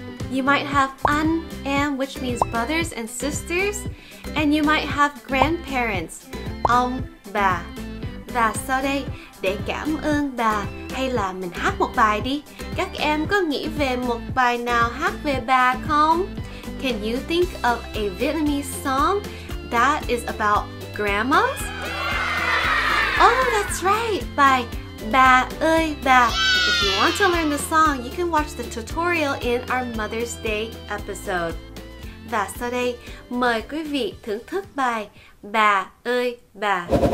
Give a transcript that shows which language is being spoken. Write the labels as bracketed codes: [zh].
[en] You might have anh em, which means brothers and sisters. And you might have grandparents, ông bà. [vi] Và sau đây, để cảm ơn bà, hay là mình hát một bài đi. Các em có nghĩ về một bài nào hát về bà không? [en] Can you think of a Vietnamese song that is about grandmas? Oh, that's right, by Bà ơi bà. If you want to learn the song, you can watch the tutorial in our Mother's Day episode. [vi] Và sau đây, mời quý vị thưởng thức bài Bà ơi bà.